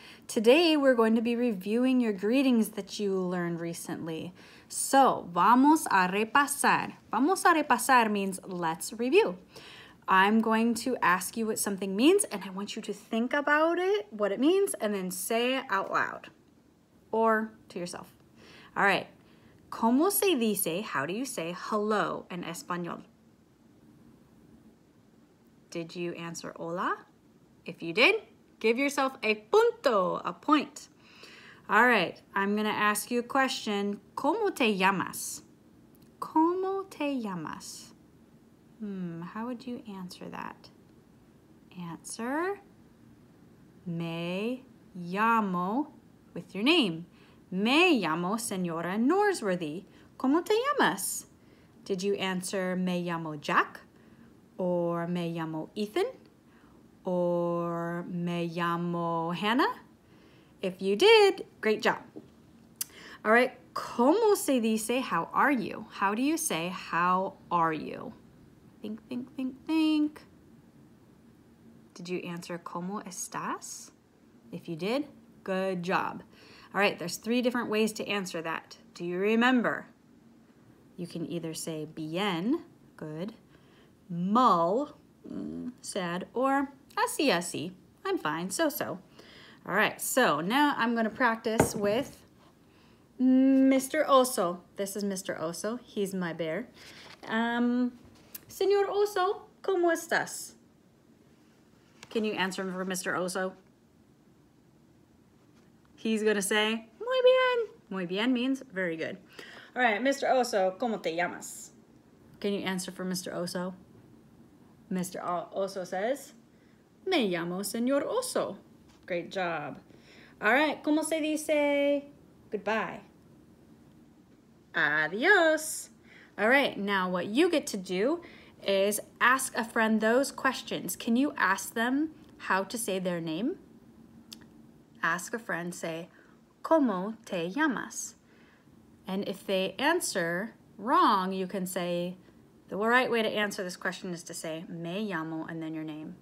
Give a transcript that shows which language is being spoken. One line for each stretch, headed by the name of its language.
English: Today we're going to be reviewing your greetings that you learned recently.
Spanish: So, vamos a repasar. Vamos a repasar
English: means let's review. I'm going to ask you what something means and I want you to think about it, what it means, and then say it out loud or to yourself. All right.
Spanish: ¿Cómo se dice,
English: how do you say, hello in español? Did you answer hola? If you did, give yourself a punto, a point. All right, I'm gonna ask you a question.
Spanish: ¿Cómo te llamas? ¿Cómo te llamas?
English: How would you answer that? Answer,
Spanish: me llamo,
English: with your name.
Spanish: Me llamo Señora Norsworthy. ¿Cómo te llamas?
English: Did you answer
Spanish: me llamo
English: Jack? Or
Spanish: me llamo
English: Ethan? Or me llamo Hannah? If you did, great job. All right,
Spanish: ¿cómo se dice
English: how are you? How do you say how are you? Think. Did you answer
Spanish: ¿cómo estás?
English: If you did, good job. All right, there's three different ways to answer that. Do you remember? You can either say bien, good, mal, sad, or así así, I'm fine, so-so. All right, so now I'm gonna practice with Mr. Oso. This is Mr. Oso, he's my bear.
Spanish: Señor Oso, ¿cómo estás?
English: Can you answer for Mr. Oso? He's gonna say,
Spanish: muy bien. Muy bien
English: means very good. All right, Mr. Oso,
Spanish: ¿cómo te llamas?
English: Can you answer for Mr. Oso? Mr. Oso says,
Spanish: me llamo Señor Oso.
English: Great job. All right,
Spanish: ¿cómo se dice
English: goodbye?
Spanish: Adios.
English: All right, now what you get to do is ask a friend those questions. Can you ask them how to say their name? Ask a friend, say,
Spanish: ¿cómo te llamas?
English: And if they answer wrong, you can say, the right way to answer this question is to say,
Spanish: me llamo,
English: and then your name.